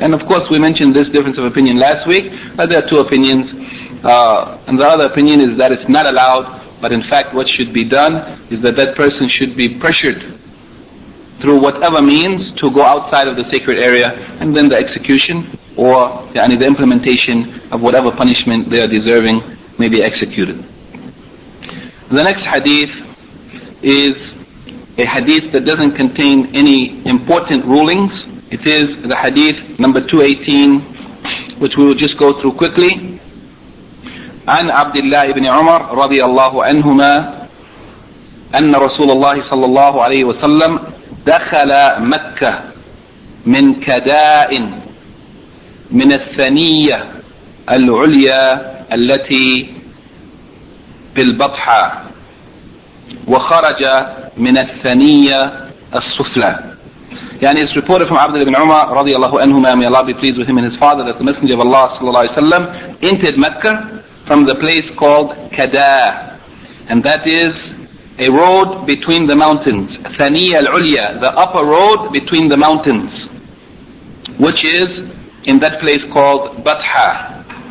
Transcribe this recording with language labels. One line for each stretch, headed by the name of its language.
English: And of course we mentioned this difference of opinion last week, that there are two opinions, and the other opinion is that it's not allowed, but in fact what should be done is that that person should be pressured through whatever means to go outside of the sacred area, and then the execution or the implementation of whatever punishment they are deserving may be executed. The next hadith is a hadith that doesn't contain any important rulings. It is the hadith number 218, which we will just go through quickly.
Arabic: عن عبد الله بن عمر رضي الله عنهما أن رسول الله صلى الله عليه وسلم دخل مكة من كداء من الثنية العليا التي بالبطحة وخرج من الثنية السفلى.
English: يعني it's reported from Abdullah ibn Umar
Arabic: رضي الله عنهما,
English: may Allah be pleased with him and his father, that the Messenger of Allah
Arabic: صلى الله عليه وسلم
English: entered Mecca from the place called Kada, and that is a road between the mountains, Thaniya al-Ulya, the upper road between the mountains, which is in that place called Batha.